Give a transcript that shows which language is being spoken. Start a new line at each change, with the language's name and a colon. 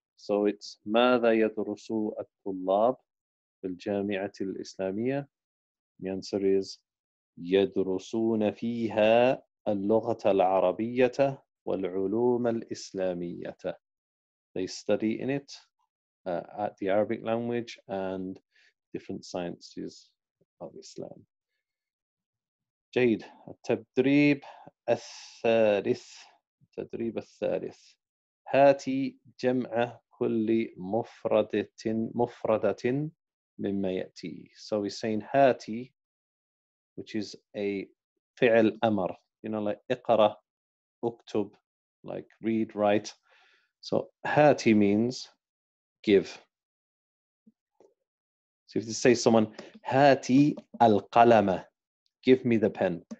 English: So it's
Arabic: ماذا يدرسوا الطلاب في الجامعة الإسلامية?
English: The answer is
Arabic: يدرسون فيها اللغة العربية والعلوم الإسلامية.
English: They study in it at the Arabic language and different sciences of Islam.
Arabic: جيد. التدريب الثالث. التدريب الثالث. هاتي جمعة كل مفردة مما يأتي.
English: So he's saying هاتي, which is a فعل أمر. You know, like اقرأ, اكتب, like read, write. So هاتي means give. So if you say someone
Arabic: هاتي القلم,
English: give me the pen.